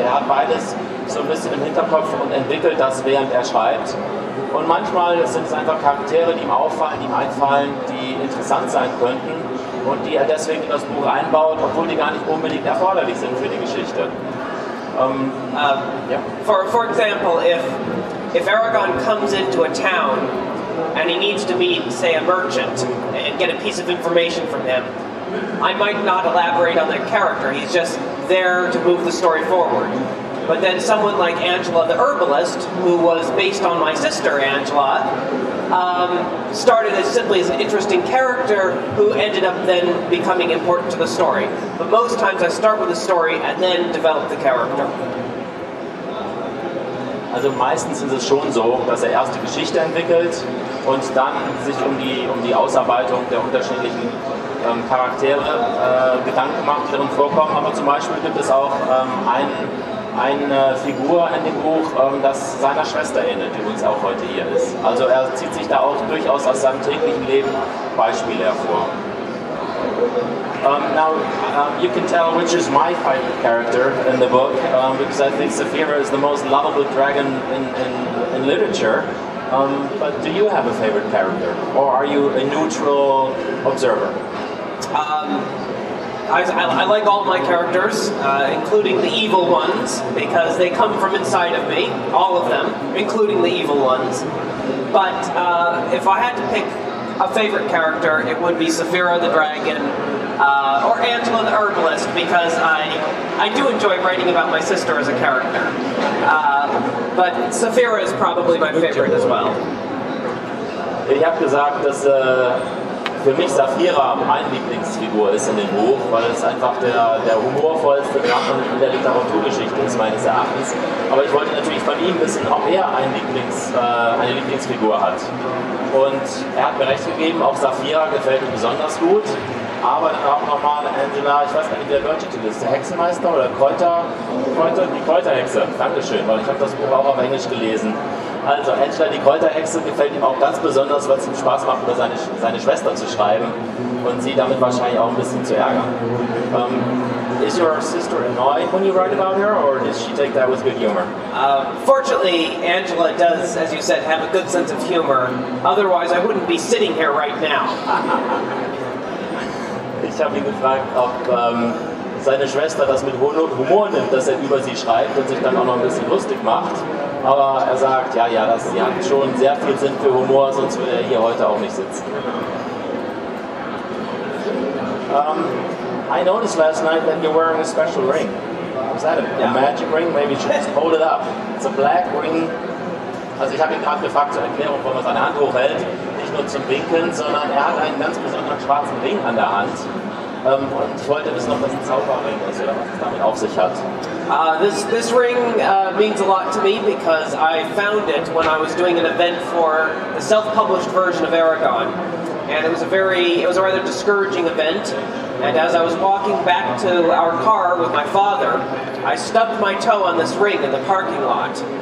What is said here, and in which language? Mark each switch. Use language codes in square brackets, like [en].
[de] Er hat beides so ein bisschen im Hinterkopf und entwickelt das, während er schreibt. Und manchmal sind es einfach Charaktere, die ihm auffallen, die ihm einfallen, die interessant sein könnten und die er deswegen in das Buch einbaut, obwohl die gar nicht unbedingt erforderlich sind für die Geschichte. [en] For example, if Aragorn comes into a town and he needs to meet, say, a merchant and get a piece of information from him, I might not elaborate on that character. He's just there to move the story forward. But then someone like Angela the Herbalist, who was based on my sister Angela, started as simply as an interesting character who ended up then becoming important to the story. But most times I start with the story and then develop the character. [de] Also meistens ist es schon so, dass erst die Geschichte entwickelt und dann sich um die Ausarbeitung der unterschiedlichen Charaktere Gedanken macht, die darin vorkommen. Aber zum Beispiel gibt es auch eine Figur in dem Buch, das seiner Schwester ähnelt, die uns auch heute hier ist. Also er zieht sich da auch durchaus aus seinem täglichen Leben Beispiele hervor. [en] Now, you can tell which is my favorite character in the book, because I think Saphira is the most lovable dragon in literature. But do you have a favorite character, or are you a neutral observer? I like all my characters, including the evil ones, because they come from inside of me, all of them, including the evil ones. But if I had to pick a favorite character, it would be Saphira the dragon, or Angela the herbalist, because I do enjoy writing about my sister as a character. But Saphira is probably my favorite as well. [de] Ich habe gesagt, dass für mich Saphira meine Lieblingsfigur ist in dem Buch, weil es einfach der humorvollste Drache in der Literaturgeschichte ist, meines Erachtens. Aber ich wollte natürlich von ihm wissen, ob er eine Lieblingsfigur hat. Und er hat mir recht gegeben, auch Saphira gefällt ihm besonders gut. Aber dann auch nochmal Angela, ich weiß gar nicht, wie der Wörtertitel ist, der Hexenmeister oder Kräuterhexe. Dankeschön, weil ich habe das Buch auch auf Englisch gelesen. Also, Angela, die Kräuterhexe, gefällt ihm auch ganz besonders, weil es ihm Spaß macht, über seine Schwester zu schreiben und sie damit wahrscheinlich auch ein bisschen zu ärgern. [en] Is your sister annoyed when you write about her, or does she take that with good humor? Fortunately, Angela does, as you said, have a good sense of humor. Otherwise, I wouldn't be sitting here right now. [de] Ich habe ihn gefragt, ob seine Schwester das mit Humor nimmt, dass er über sie schreibt und sich dann auch noch ein bisschen lustig macht. Aber er sagt, ja, dass sie hat schon sehr viel Sinn für Humor, sonst würde er hier heute auch nicht sitzen. [en] I noticed last night that you're wearing a special ring. Was that? A magic ring? Maybe you should just hold it up. It's a black ring. [de] Also ich habe ihn gerade gefragt zur Erklärung, warum er seine Hand hochhält. Nicht nur zum Winken, sondern er hat einen ganz besonderen schwarzen Ring an der Hand. Und ich wollte wissen, ob das ein Zauberring ist oder was es damit auf sich hat. [en] This ring means a lot to me because I found it when I was doing an event for the self-published version of Aragorn. And it was a rather discouraging event. And as I was walking back to our car with my father, I stubbed my toe on this ring in the parking lot.